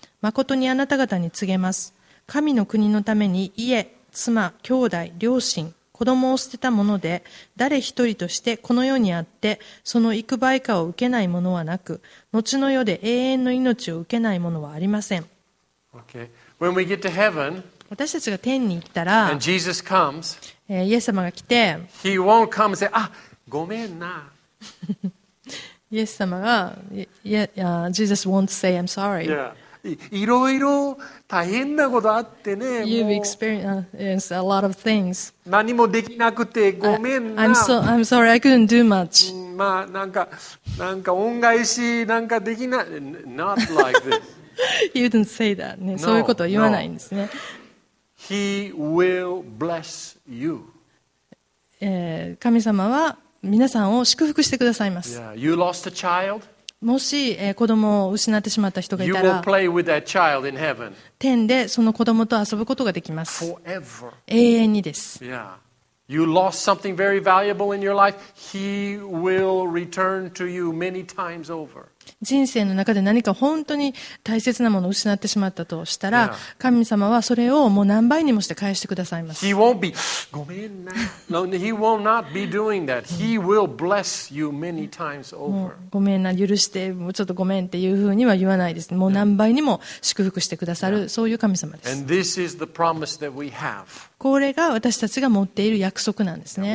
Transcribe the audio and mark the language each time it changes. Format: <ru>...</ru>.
<ja>まことにあなた方に告げます。神の国のために家、妻、兄弟、両親、子供を捨てたもので、誰一人としてこの世にあって、その幾倍かを受けないものはなく、後の世で永遠の命を受けないものはありません。</ja> <en>Okay. When we get to heaven,</en> <ja>私たちが天に行ったら、</ja> <en>and Jesus comes,</en> <ja>イエス様が来て、</ja> <en>He won't come and say,</en> <ja>あ、ごめんな。イエス様が、</ja> <en>Jesus won't say, I'm sorry. Yeah.</en> <ja>いろいろ大変なことあってね。</ja> <en>You've experienced a lot of things.</en> <ja>何もできなくてごめんな。</ja> <en>I'm sorry, I couldn't do much.</en> <ja>まあなんか恩返しなんかできない。</ja> <en>Not like this. You didn't say that. ね、 no,</en> <ja>そういうことは言わないんですね。</ja> <en>No. He will bless you.</en> <ja>神様は皆さんを祝福してくださいます。</ja> <en>Yeah. You lost a child.</en> <ja>もし、子供を失ってしまった人がいたら、</ja> <en>you will play with that child in heaven.</en> <ja>天でその子供と遊ぶことができます。</ja> <en>Forever.</en> <ja>永遠にです。</ja> <en>Yeah. You lost something very valuable in your life. He will return to you many times over.</en> <ja>人生の中で何か本当に大切なものを失ってしまったとしたら、</ja> <en>yeah.</en> <ja>神様はそれをもう何倍にもして返してくださいます。</ja> <en>He won't be,</en> <ja>ごめんな。</ja> <en>No, he will not be doing that. He will bless you many times over.</en> <ja>ごめんな、許して、もうちょっとごめんっていうふうには言わないです。もう何倍にも祝福してくださる、</ja> <en>yeah.</en> <ja>そういう神様です。 And this is the promise that we have. これが私たちが持っている約束なんですね。</ja>